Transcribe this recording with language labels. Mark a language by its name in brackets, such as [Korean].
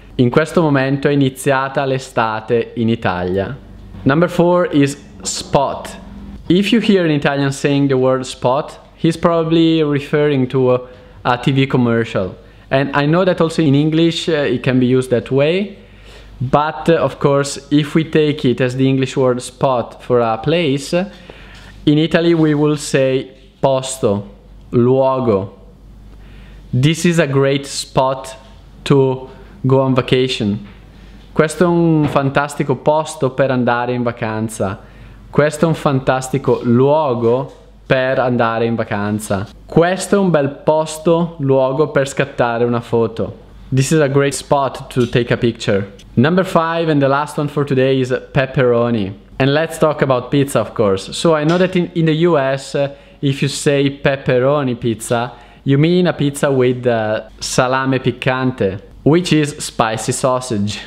[Italian] In questo momento è iniziata l'estate in Italia. [English] Number four is spot. If you hear an Italian saying the word spot, he's probably referring to a TV commercial. And I know that also in English it can be used that way. But, of course, if we take it as the English word spot for a place, in Italy we will say posto, luogo. This is a great spot to go on vacation. [Italian] Questo è un fantastico posto per andare in vacanza. Questo è un fantastico luogo per andare in vacanza. Questo è un bel posto, luogo per scattare una foto. [English] This is a great spot to take a picture. Number five and the last one for today is pepperoni. And let's talk about pizza, of course. So I know that in the US, if you say pepperoni pizza, you mean a pizza with salame piccante, which is spicy sausage.